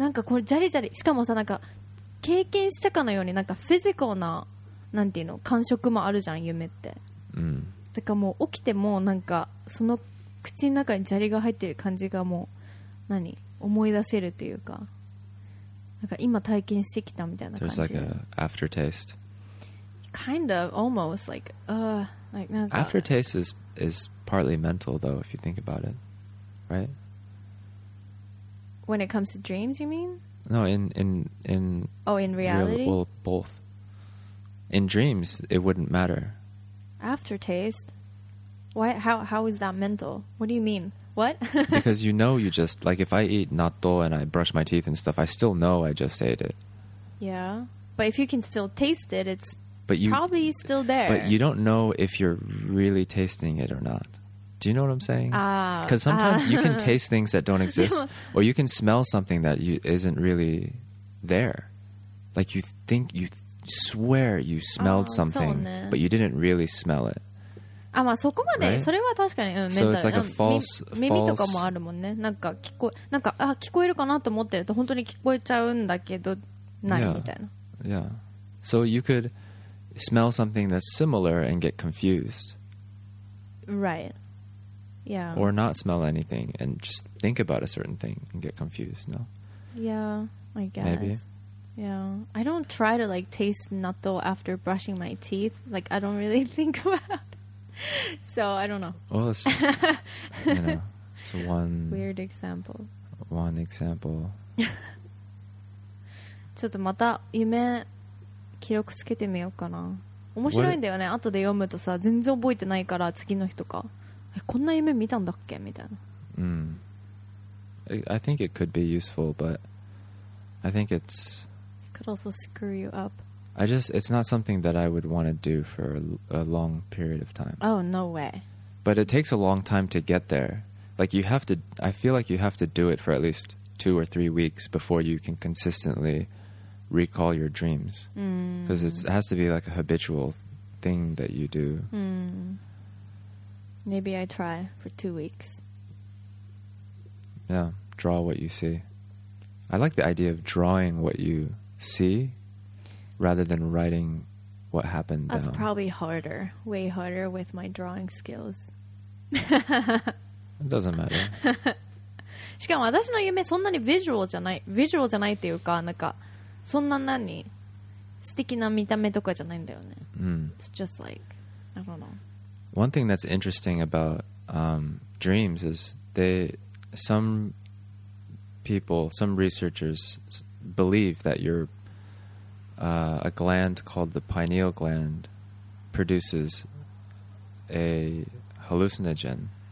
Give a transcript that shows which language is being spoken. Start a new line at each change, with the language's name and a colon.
Japanese: なんかこれジャリジャリしかもさなんか経験したかのようになんかフィジカルななんていうの感触もあるじゃん夢って、だからもう起きてもなんかその口の中にジャリが入ってる感じがもう何思い出せるっていうかなんか今体験してきたみたいな感じ
English: There's like a aftertaste Kind of almost like, like なんか Aftertaste is partly mental though if you think about it Right? When it comes to dreams, you mean? No, in Oh, in reality? Well, both. In dreams, it wouldn't matter. Aftertaste? Why, how is that mental? What do you mean? What? Because you know you just... Like, if I eat natto and I brush my teeth and stuff, I still know I just ate it. Yeah. But if you can still taste it, it's But you, probably still there. But you don't know if you're really tasting it or not. Do you know what I'm saying? Because sometimes you can taste things that don't exist, or you can smell something that you, isn't really there. Like you think, you swear you smelled something, but you didn't really smell it.
Japanese: まあ、そこまで、right? それは確かに、
English: so it's like、false,
Japanese: 耳とかもあるもんね。なんか聞こ、なんか、あ、聞こえるかなと思ってると本当に聞こえちゃうんだけど、ない、
English: yeah.
Japanese: みたいな。
English: Yeah. So you could smell something that's similar and get confused. Right. Yeah. Or not smell anything and just think about a certain thing and get confused, no? Yeah, I guess. Maybe. Yeah, I don't try to like taste natto after brushing my teeth. Like, I don't really think about it. So, I don't know. Well, it's just, you know, it's one... Weird example. One example.
Japanese: ちょっとまた夢記録つけてみようかな。面白いんだよね。後で読むとさ、全然覚えてないから次の日とか。え、こんな夢見たんだっけみたいな。 Mm.
English: I think it could be useful, but I think it's... could also screw you up. I just, it's not something that I would want to do for a long period of time. Oh, no way. But it takes a long time to get there. Like you have to, I feel like you have to do it for at least 2 or 3 weeks before you can consistently recall your dreams. Because it has to be like a habitual thing that you do. Maybe I try for 2 weeks. Yeah, draw what you see. I like the idea of drawing what you... see rather than writing what happened that's down. Probably harder way harder with my drawing skills it doesn't matter
Japanese: しかも私の夢そんなにビジュアルじゃないビジュアルじゃないっていうかなんかそんな何素敵な見た目とかじゃないんだよね、 mm.
English: it's just like I don't know one thing that's interesting about dreams is they some people some researchersbelieve that your a gland called the pineal gland produces a hallucinogen